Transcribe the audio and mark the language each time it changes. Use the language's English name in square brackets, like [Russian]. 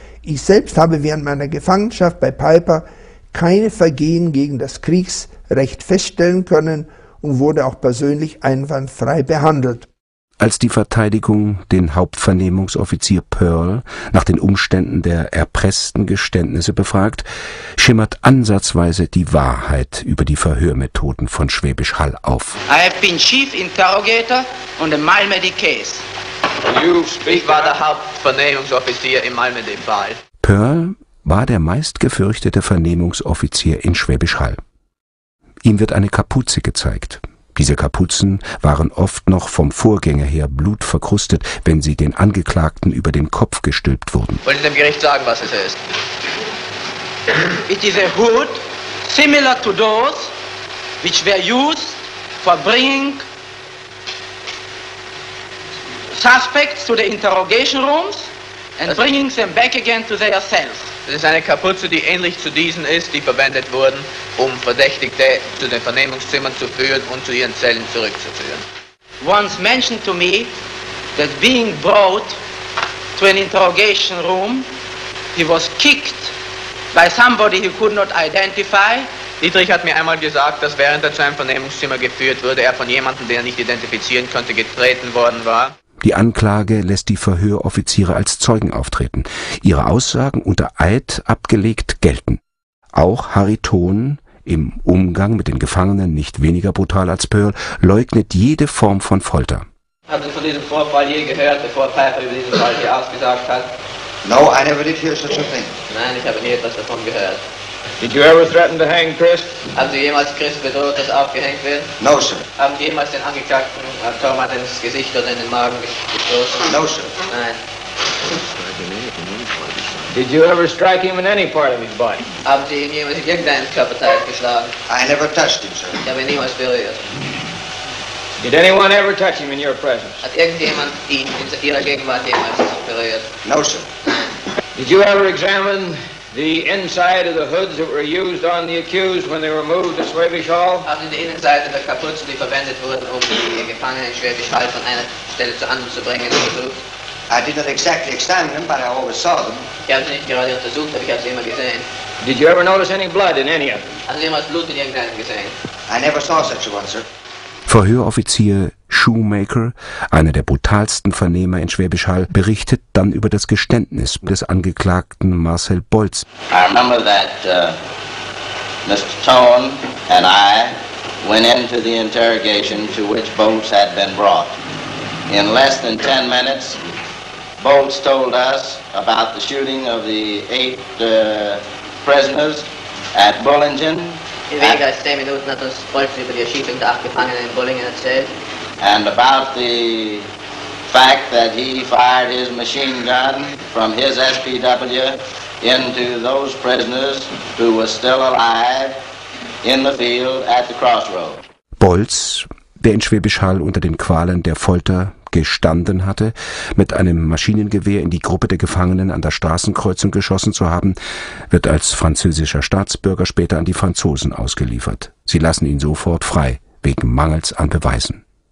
[German] Ich selbst habe während meiner Gefangenschaft bei Piper keine Vergehen gegen das Kriegsrecht feststellen können und wurde auch persönlich einwandfrei behandelt. Als die Verteidigung den Hauptvernehmungsoffizier Pearl nach den Umständen der erpressten Geständnisse befragt, schimmert ansatzweise die Wahrheit über die Verhörmethoden von Schwäbisch Hall auf. [English] I have been chief interrogator on the Malmedy case. You speak, [German] ich war der Hauptvernehmungsoffizier im Malmedy-Fall. Pearl war der meistgefürchtete Vernehmungsoffizier in Schwäbisch Hall. Ihm wird eine Kapuze gezeigt. Diese Kapuzen waren oft noch vom Vorgänger her blutverkrustet, wenn sie den Angeklagten über den Kopf gestülpt wurden. Wollen Sie dem Gericht sagen, was es ist? [English] It is a hood similar to those which were used for bringing suspects to the interrogation rooms and bringing them back again to their cells. [German] Es ist eine Kapuze, die ähnlich zu diesen ist, die verwendet wurden, um Verdächtigte zu den Vernehmungszimmern zu führen und zu ihren Zellen zurückzuführen. [English] Once mentioned to me that being brought to an interrogation room, he was kicked by somebody he could not identify. [German] Dietrich hat mir einmal gesagt, dass während er zu einem Vernehmungszimmer geführt wurde, er von jemandem, den er nicht identifizieren konnte, getreten worden war. Die Anklage lässt die Verhöroffiziere als Zeugen auftreten, ihre Aussagen unter Eid abgelegt gelten. Auch Harry Thon, im Umgang mit den Gefangenen nicht weniger brutal als Pearl, leugnet jede Form von Folter. Haben Sie von diesem Vorfall je gehört, bevor Piper über diesen Fall hier ausgesagt hat? [English] No, I never did hear such a thing. [German] Nein, ich habe nie etwas davon gehört. [English] Did you ever threaten to hang Chris? [German] Haben Sie jemals Chris bedroht, dass aufgehängt wird? [English] No, sir. [German] Haben Sie jemals den Angeklagten Thomas ins Gesicht oder in den Magen gestoßen? [English] No, sir. [German] Nein. [English] Did you ever strike him in any part of his body? [German] Haben Sie ihn jemals in irgendeinem Körperteil geschlagen? [English] I never touched him, sir. [German] Ich habe ihn niemals berührt. [English] Did anyone ever touch him in your presence? [German] Hat irgendjemand ihn in Ihrer Gegenwart jemals berührt? [English] No, sir. Did you ever examine the inside of the hoods that were used on the accused when they were moved to Schwäbisch Hall? [German] Haben Sie die Innenseite der Kapuze, die verwendet wurden, um die Gefangenen in Schwäbisch Hall von einer Stelle zur anderen zu bringen, untersucht? [English] I did not exactly examine them, but I always saw them. [German] Ich habe sie nicht gerade untersucht, aber ich habe sie immer gesehen. [English] Did you ever notice any blood in any of them? [German] Haben Sie jemals Blut in irgendeinem gesehen? [English] I never saw such a one, sir. [German] Verhöroffizier Shoemaker, einer der brutalsten Vernehmer in Schwäbisch Hall, berichtet dann über das Geständnis des Angeklagten Marcel Bolz. [English] I remember that Mr. Thon and I went into the interrogation to which Bolz had been brought. In less than 10 minutes, Bolz told us about the shooting of the 8 prisoners at Bullingen. [German] In weniger als 10 Minuten hat uns Bolz über die Erschießung der 8 Gefangenen in Bullingen erzählt. [English] And about the fact that he fired his machine gun from his SPW into those prisoners who were still alive in the field at the crossroads. [German] Bolz, der in Schwäbisch Hall unter den Qualen der Folter gestanden hatte, mit einem Maschinengewehr in die Gruppe der Gefangenen an der Straßenkreuzung geschossen zu haben, wird als französischer Staatsbürger später an die Franzosen ausgeliefert. Sie lassen ihn sofort frei, wegen Mangels an Beweisen.